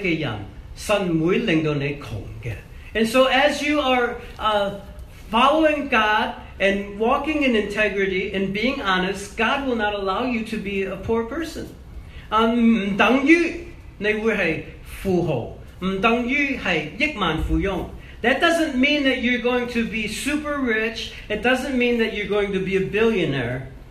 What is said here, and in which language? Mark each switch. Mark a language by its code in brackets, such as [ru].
[zh] 因为信靠耶稣的做老实的正直的人，神不会令到你穷的。 [en] And so as you are following God and walking in integrity and being honest, God will not allow you to be a poor person. [zh] 不等于你会是富豪，不等于是亿万富翁。 [en] That doesn't mean that you're going to be super rich. It doesn't mean that you're going to be a billionaire.